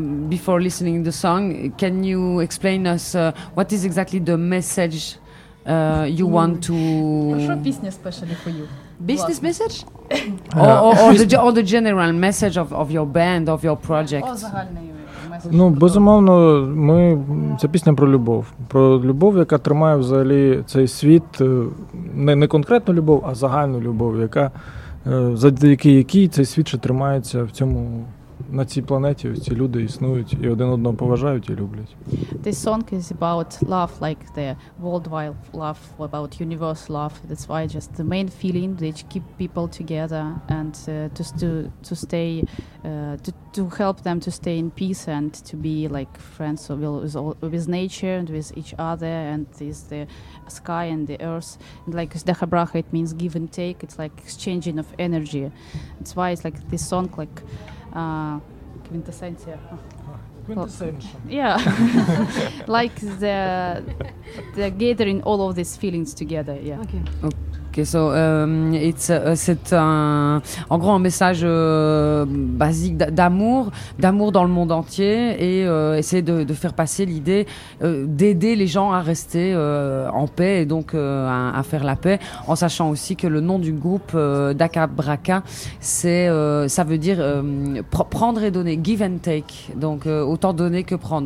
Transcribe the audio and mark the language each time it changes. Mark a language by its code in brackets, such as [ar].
[en] Before listening the song, can you explain us what is exactly the message you want to? Sure, business especially for you. Business what? Message? or the general message of your band, of your project? [uk] Ну, безумовно, це пісня про любов. Про любов, яка тримає взагалі цей світ, не конкретну любов, а загальну любов, яка завдяки якій цей світ ще тримається на цій планеті, ось ці люди існують і один одного поважають і люблять. [en] This song is about love, like the worldwide love, about universal love. That's why just the main feeling that keep people together and to stay to help them to stay in peace and to be like friends with nature and with each other, and is the sky and the earth, and like Dacha Bracha, it means give and take. It's like exchanging of energy. That's why it's like this song, like quintessential. Like the gathering all of these feelings together. Yeah. Okay. [fr] Okay, so c'est en gros un message basique d'amour dans le monde entier et essayer de faire passer l'idée d'aider les gens à rester en paix et donc à faire la paix, en sachant aussi que le nom du groupe Dakabraka, ça veut dire prendre et donner, [en] give and take, [fr] donc autant donner que prendre.